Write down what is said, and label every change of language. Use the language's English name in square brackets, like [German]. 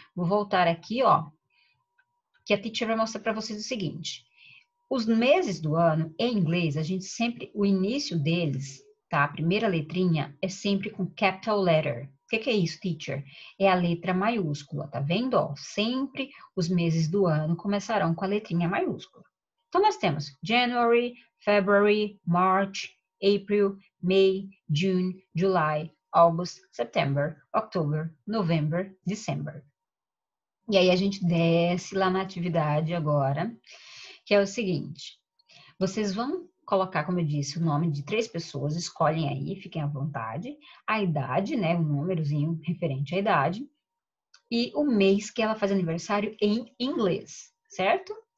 [Portuguese] Vou voltar aqui, ó, que a teacher vai mostrar para vocês o seguinte. Os meses do ano, em inglês, a gente sempre, o início deles, tá? A primeira letrinha é sempre com [English] capital letter. [Portuguese] O que que é isso, teacher? É a letra maiúscula, tá vendo? Ó, sempre os meses do ano começarão com a letrinha maiúscula. Então, nós temos [English] January, February, March, April, May, June, July, August, September, October, November, December. [Portuguese] E aí, a gente desce lá na atividade agora. Que é o seguinte, vocês vão colocar, como eu disse, o nome de três pessoas, escolhem aí, fiquem à vontade, a idade, né, o númerozinho referente à idade, e o mês que ela faz aniversário em inglês, certo?